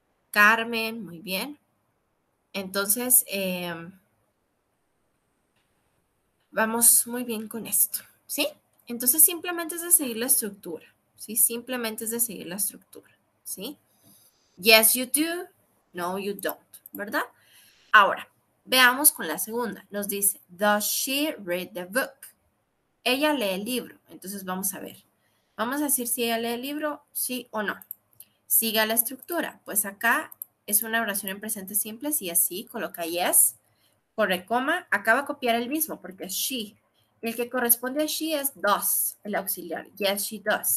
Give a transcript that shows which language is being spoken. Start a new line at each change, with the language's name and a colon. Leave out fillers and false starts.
Spanish: Carmen, muy bien. Entonces, vamos muy bien con esto, ¿sí? Entonces, simplemente es de seguir la estructura, ¿sí? Simplemente es de seguir la estructura, ¿sí?
English: Yes, you do, no, you don't,
Spanish: ¿verdad? Ahora, veamos con la segunda. Nos dice,
English: does she read the book?
Spanish: Ella lee el libro, entonces vamos a ver. Vamos a decir si ella lee el libro, sí o no. Siga la estructura, pues acá es una oración en presente simple, si es sí, coloca yes, corre coma, acaba de copiar el mismo porque es she. Y el que corresponde a she es does, el auxiliar,
English: yes, she does.